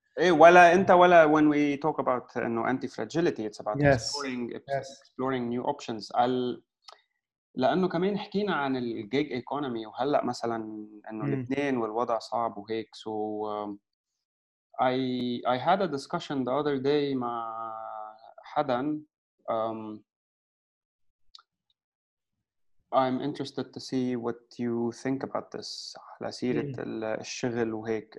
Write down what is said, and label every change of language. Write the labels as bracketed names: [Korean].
[Arabic] ولا أنت ولا [English] when we talk about anti-fragility, it's about exploring new options. [Arabic] لأنه كمان حكينا عن الجيج إيكونومي وهلا مثلاً إنه لبنان والوضع صعب وهيك. [English] So I had a discussion the other day [Arabic] مع حدا. [English] I'm interested to see what you think about this. [Arabic] على سيرة الشغل وهيك.